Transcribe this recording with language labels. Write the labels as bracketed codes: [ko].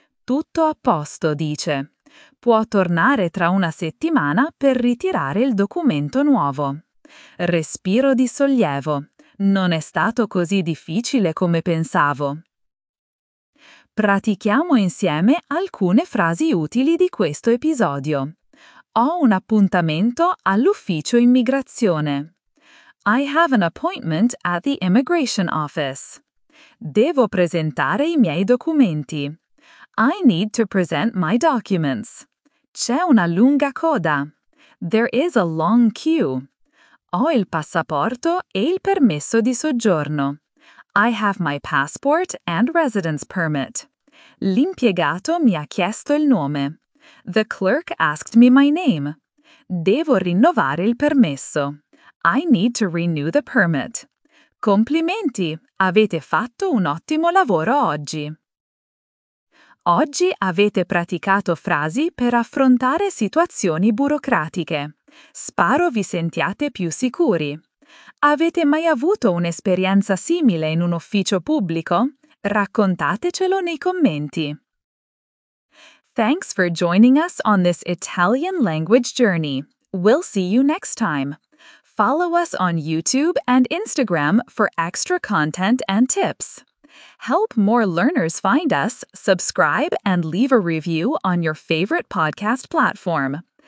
[it] Tutto a posto, dice. Può tornare tra una settimana per ritirare il documento nuovo. Respiro di sollievo. Non è stato così difficile come pensavo. Pratichiamo insieme alcune frasi utili di questo episodio. Ho un appuntamento all'ufficio immigrazione. [en] I have an appointment at the immigration office. [it] Devo presentare i miei documenti. [en] I need to present my documents. [it] C'è una lunga coda. [en] There is a long queue. [it] Ho il passaporto e il permesso di soggiorno. [en] I have my passport and residence permit. [it] L'impiegato mi ha chiesto il nome. [en] The clerk asked me my name. [it] Devo rinnovare il permesso. [en] I need to renew the permit. [it] Complimenti! Avete fatto un ottimo lavoro oggi! Oggi avete praticato frasi per affrontare situazioni burocratiche. Spero vi sentiate più sicuri. Avete mai avuto un'esperienza simile in un ufficio pubblico? Raccontatecelo nei commenti. [en] Thanks for joining us on this Italian language journey. We'll see you next time. Follow us on YouTube and Instagram for extra content and tips. Help more learners find us, subscribe, and leave a review on your favorite podcast platform.